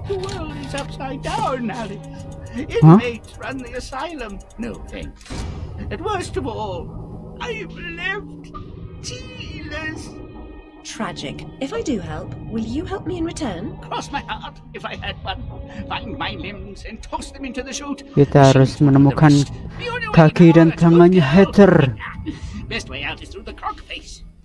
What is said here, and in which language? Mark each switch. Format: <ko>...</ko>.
<en>The world is upside down, Alice. Inmates run the asylum. No thanks. And worst of all, I've left tealess. Tragic. If I do help, will you help me in return? Cross my heart, if I had one. Find my limbs and toss them into the chute.</en> <id>Kita harus menemukan kaki dan tangannya Heather.</id> <en>Best way out is through the croc face.</en>